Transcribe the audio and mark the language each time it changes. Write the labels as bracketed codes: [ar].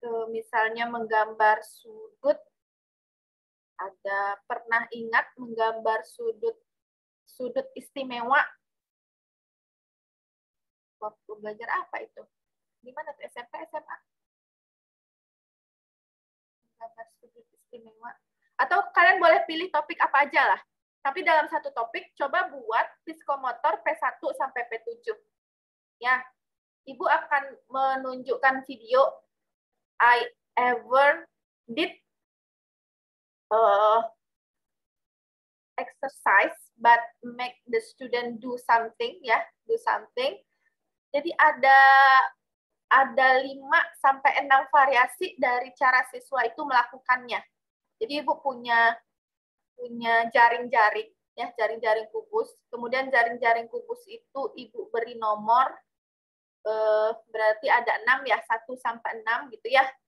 [id] misalnya menggambar sudut, ada pernah ingat menggambar sudut istimewa waktu belajar apa itu? Gimana tuh SMP, SMA? Menggambar sudut istimewa. Atau kalian boleh pilih topik apa aja lah. Tapi dalam satu topik, coba buat psikomotor P1 sampai P7. Ya, Ibu akan menunjukkan video [en] I ever did exercise but make the student do something, ya, do something. [id] Jadi ada 5 sampai 6 variasi dari cara siswa itu melakukannya. Jadi Ibu punya jaring-jaring ya, jaring-jaring kubus. Kemudian jaring-jaring kubus itu Ibu beri nomor, berarti ada 6 ya, 1 sampai 6 gitu ya.